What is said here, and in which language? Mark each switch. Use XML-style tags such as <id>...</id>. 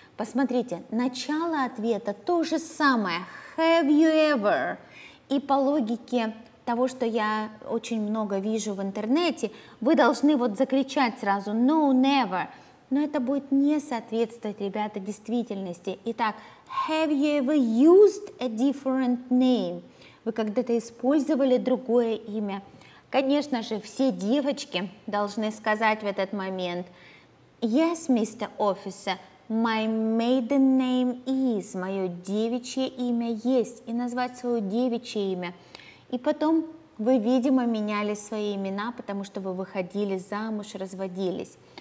<ru>Посмотрите, начало ответа то же самое.</ru> <en>Have you ever?</en> <ru>И по логике того, что я очень много вижу в интернете, вы должны вот закричать сразу</ru> <en>no, never.</en> <ru>Но это будет не соответствовать, ребята, действительности. Итак,</ru> <en>have you ever used a different name?</en> <ru>Вы когда-то использовали другое имя? Конечно же, все девочки должны сказать в этот момент</ru> <en>Yes, Mr. Officer, my maiden name is.</en> <ru>Мое девичье имя есть. И назвать свое девичье имя. И потом вы, видимо, меняли свои имена, потому что вы выходили замуж, разводились.</ru>